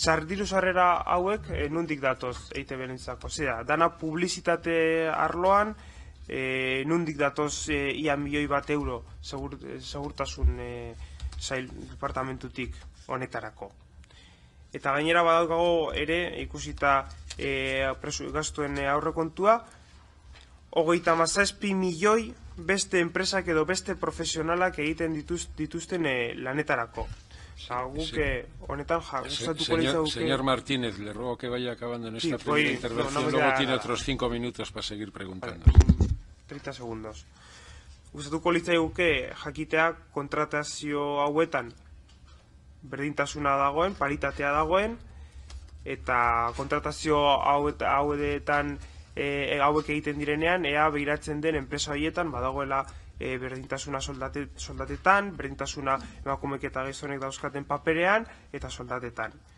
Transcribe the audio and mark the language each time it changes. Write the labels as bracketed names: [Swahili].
[Basque] Diru sarrera hauek nondik datoz EITB-rentzako? Zera, dana publizitate arloan, nondik datoz 1.000.000 bat euro segurtasun sail departamentutik honetarako. Eta gainera badaukago ere, ikusita gastuen aurrekontua, 37.000.000 beste enpresak edo beste profesionalak egiten dituzten lanetarako. Osa, guk honetan gustatuko litzaiguke. [Spanish] Señor Martínez, le ruego que vaya acabando en esta primera intervención, luego tiene otros 5 minutos para seguir preguntando. 30 segundos. [Basque] Gustatuko litzaiguke jakitea kontratazio hauetan berdintasuna dagoen, paritatea dagoen, eta kontratazio hauetan hauek egiten direnean, ea behiratzen den enpresa horietan, badagoela berdintasuna soldatetan, berdintasuna emakumeek eta gizonek dauzkaten paperean, eta soldatetan.